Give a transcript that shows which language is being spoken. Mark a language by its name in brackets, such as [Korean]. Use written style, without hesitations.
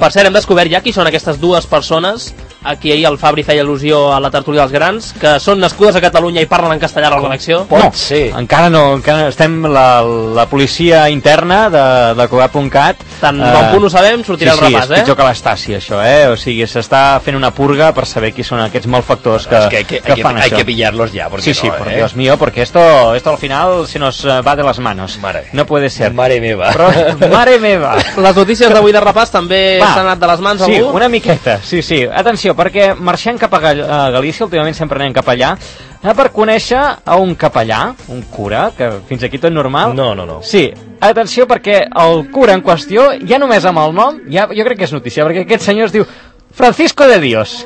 [Catalan] Per cert, hem descobert ja qui són aquestes dues persones a qui ahir el Fabri feia al·lusió a la tertúlia dels grans, que són nascudes a Catalunya i parlen en castellà a la connexió. Encara no, encara estem la policia interna de Cugat.cat. Tant bon punt ho sabem, sortirà sí, el repàs, sí, és pitjor que l'Estasi, això, eh? O sigui, s'està fent una purga per saber qui són aquests malfactors que fan això. [Spanish] Hay que pillarlos ya, porque sí, no, sí, eh? Sí, sí, Dios mío, porque esto al final se nos va de las manos. [Catalan] Mare. [Spanish] No puede ser. [Catalan] Mare meva. Però, mare meva. Les notícies d'avui de repàs també s'han anat de les mans, sí, algú? Sí, una miqueta, sí, sí. Atenció, perquè marxem cap a Galícia, últimament sempre anem cap allà, per conèixer a un capellà, un cura, que fins aquí tot normal. No, no, no. Sí, atenció, perquè el cura en qüestió, ja només amb el nom, ja, jo crec que és notícia, perquè aquest senyor es diu Francisco de Dios.